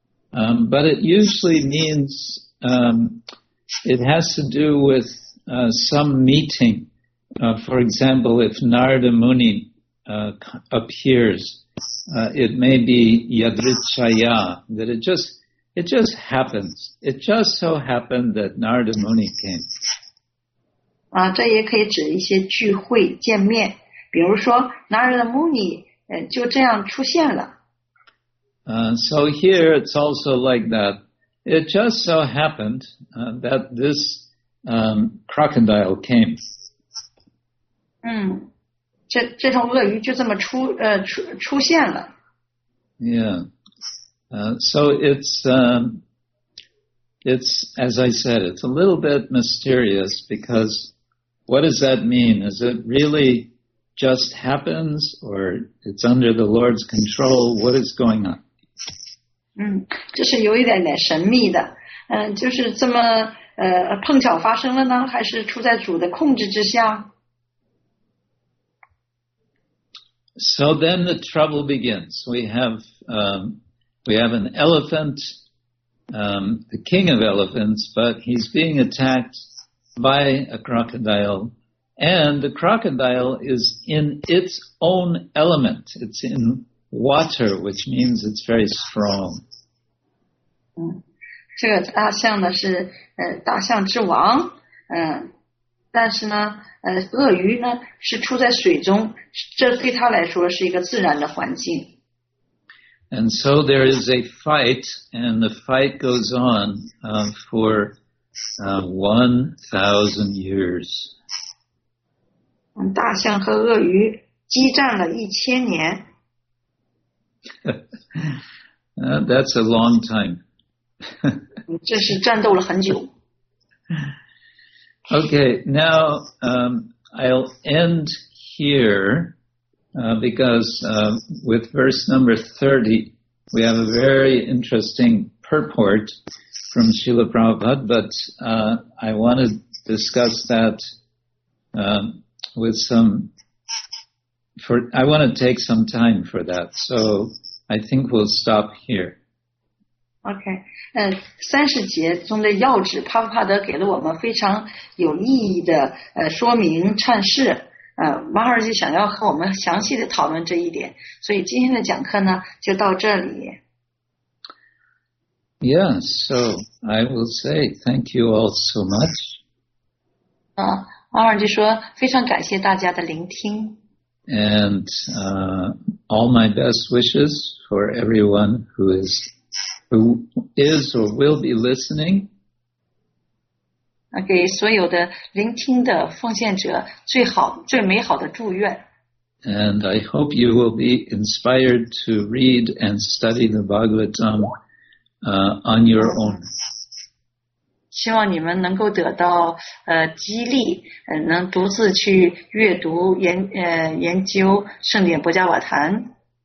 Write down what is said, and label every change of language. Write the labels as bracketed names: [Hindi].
[English] But it usually means it has to do with some meeting. For example, if Narada Muni appears, it may be Yadrichaya, that it just happens. It just so happened that Narada Muni came. [Chinese] 这也可以指一些聚会见面，比如说 Narada Muni 就这样出现了。 [English] So here it's also like that. It just so happened that this crocodile came. [Chinese] 这头鳄鱼就这么出现了。 [English] Yeah. So it's it's, as I said, it's a little bit mysterious because what does that mean? Is it really just happens or it's under the Lord's control? What is going on? [Chinese] 这是有一点点神秘的。就是这么碰巧发生了呢还是处在主的控制之下？ [English] So then the trouble begins. We have an elephant, the king of elephants, but he's being attacked by a crocodile, and the crocodile is in its own element. It's in water, which means it's very strong. [Chinese] 这个大象呢是大象之王，但是呢鳄鱼呢是处在水中，这对他来说是一个自然的环境。 [English] And so there is a fight, and the fight goes on for 1,000 years. [Chinese] 大象和鳄鱼激战了一千年。 [English] That's a long time. [Chinese] 这是战斗了很久。 [English] Okay, now I'll end here because with verse number 30, we have a very interesting purport from Srila Prabhupada, but I want to discuss that I want to take some time for that, so I think we'll stop here. [Chinese] Okay, 30节中的要旨，帕帕德给了我们非常有意义的说明阐释。马尔就想要和我们详细的讨论这一点，所以今天的讲课呢就到这里。 [English] Yeah, so I will say thank you all so much. [Chinese] 马尔就说非常感谢大家的聆听。 [English] And all my best wishes for everyone who is or will be listening. [Chinese] 给所有的聆听的奉献者最好最美好的祝愿。 [English] And I hope you will be inspired to read and study the Bhagavatam on your own. [Chinese] 希望你们能够得到激励，能独自去阅读研究圣典波迦瓦坛。